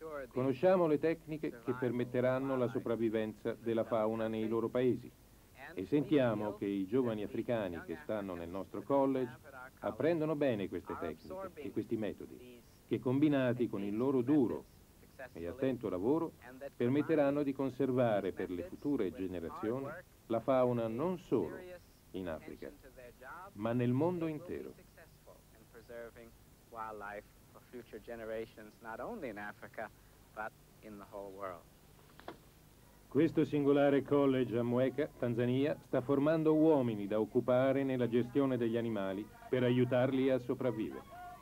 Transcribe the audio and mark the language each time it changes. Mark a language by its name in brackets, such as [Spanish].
[Italian] Conosciamo le tecniche che permetteranno la sopravvivenza della fauna nei loro paesi e sentiamo che i giovani africani che stanno nel nostro college apprendono bene queste tecniche e questi metodi che combinati con il loro duro e attento lavoro permetteranno di conservare per le future generazioni la fauna non solo in Africa ma nel mondo intero. [English] Future generations not only in Africa but in the whole world. [Italian] Questo singolare college a Mweka, Tanzania, sta formando uomini da occupare nella gestione degli animali per aiutarli a sopravvivere.